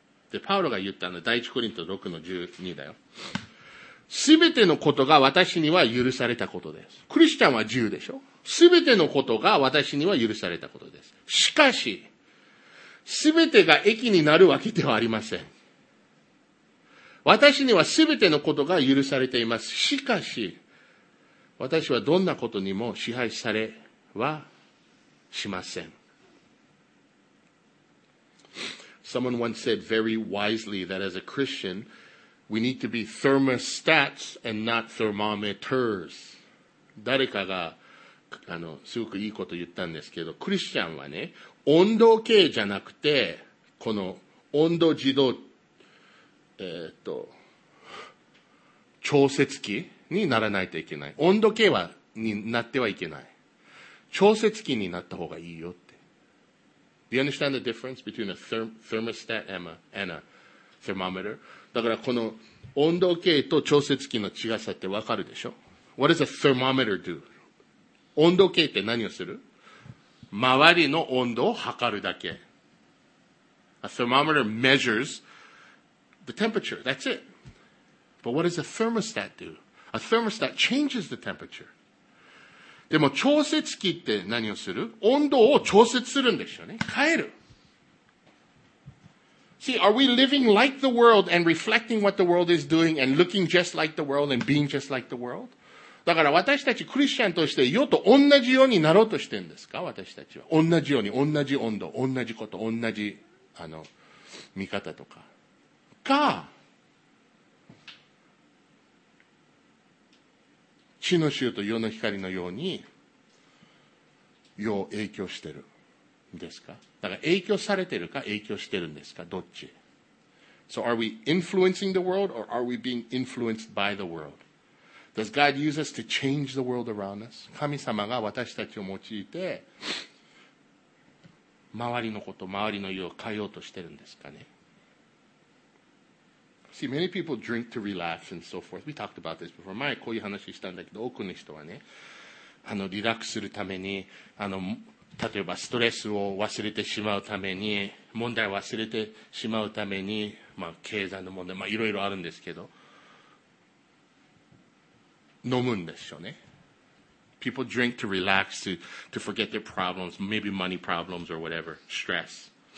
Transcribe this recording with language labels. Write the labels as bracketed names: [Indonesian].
[Japanese] で、パウロが言ったのは第1コリント6の12だよ。すべてのことが私には許されたことです。クリスチャンは自由でしょ？すべてのことが私には許されたことです。しかし、すべてが益になるわけではありません。私にはすべてのことが許されています。しかし、私はどんなことにも支配されはしません。 [English] Someone once said very wisely that as a Christian, we need to be thermostats and not thermometers. [Japanese] 誰かがすごくいいこと言ったんですけど、クリスチャンはね、温度計じゃなくて、この温度自動、調節器にならないといけない。温度計は、になってはいけない。調節器になった方がいいよって。 [English] Do you understand the difference between a thermostat and a thermometer? [Japanese] だからこの温度計と調節器の違さってわかるでしょ？ What does a thermometer do? 温度計って何をする？周りの温度を測るだけ。 [English] A thermometer measures the temperature. That's it. But what does a thermostat do? A thermostat changes the temperature. [Japanese] でも調節器って何をする？温度を調節するんですよね。変える。 [English] See, are we living like the world and reflecting what the world is doing and looking just like the world and being just like the world? [Japanese] だから私たちクリスチャンとして世と同じようになろうとしてるんですか？私たちは。同じように、同じ温度、同じこと、同じ、見方とか。か、地の塩と世の光のように、世を影響してる。ですか？だから影響されてるか影響してるんですか？どっち？ [English] So are we influencing the world or are we being influenced by the world? Does God use us to change the world around us? [Japanese] 神様が私たちを用いて周りのこと、周りの世を変えようとしてるんですかね？ [English] See, many people drink to relax and so forth. We talked about this before. [Japanese] 前こういう話したんだけど、多くの人はね、リラックスするために例えばストレスを忘れてしまうために、問題を忘れてしまうために、まあ経済の問題、まあいろいろあるんですけど、飲むんでしょうね。 [English] People drink to relax, to forget their problems, maybe money problems or whatever, stress.